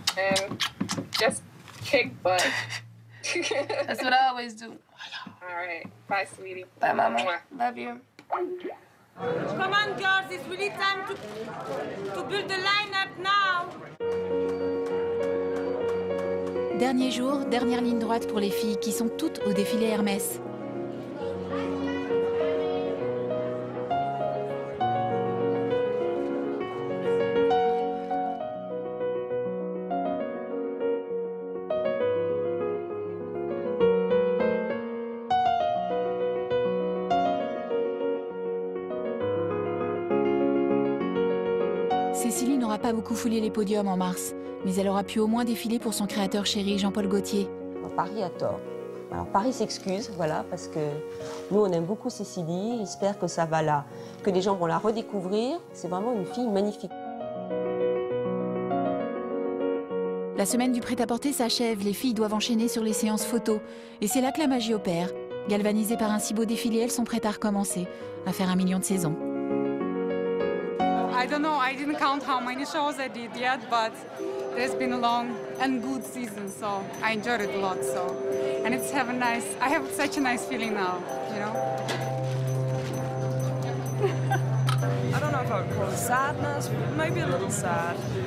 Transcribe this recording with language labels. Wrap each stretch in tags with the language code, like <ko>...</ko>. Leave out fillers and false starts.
<en>And just kick butt. That's what I always do. All right, bye, sweetie. Bye, mama. Mwah. Love you. Come on, girls, it's really time to build the lineup now.</en> <fr>Dernier jour, dernière ligne droite pour les filles qui sont toutes au défilé Hermès. Cécilie n'aura pas beaucoup foulé les podiums en mars, mais elle aura pu au moins défiler pour son créateur chéri, Jean-Paul Gaultier. Paris a tort. Alors Paris s'excuse, voilà, parce que nous, on aime beaucoup Cécilie, j'espère que ça va là, que les gens vont la redécouvrir. C'est vraiment une fille magnifique. La semaine du prêt-à-porter s'achève, les filles doivent enchaîner sur les séances photos. Et c'est là que la magie opère. Galvanisées par un si beau défilé, elles sont prêtes à recommencer, à faire un million de saisons.</fr> <en>I don't know, I didn't count how many shows I did yet, but there's been a long and good season, so I enjoyed it a lot, so. And it's have a nice, I have such a nice feeling now, you know? I don't know if I would call it sadness, maybe a little sad.</en>